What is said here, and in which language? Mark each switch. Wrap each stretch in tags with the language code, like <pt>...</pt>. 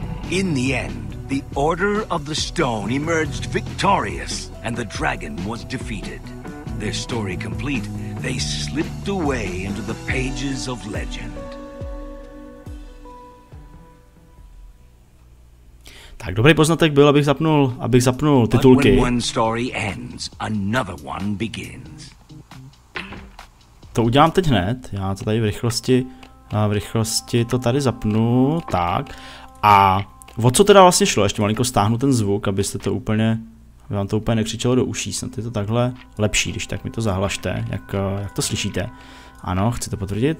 <en>In the end, the Order of the Stone emerged victorious, and the dragon was defeated. Their story complete, they slipped away into the pages of legend.</en> <cs>Tak dobrý poznatek byl, abych zapnul titulky.</cs> <en>But when one story ends, another one begins.</en> <cs>To udělám teď hned, já to tady v rychlosti to tady zapnu, tak. A o co teda vlastně šlo? Ještě malinko stáhnu ten zvuk, abyste to úplně, aby vám to úplně nekřičelo do uší, snad je to takhle lepší, když tak mi to zahlašte, jak to slyšíte. Ano, chcete potvrdit?</cs>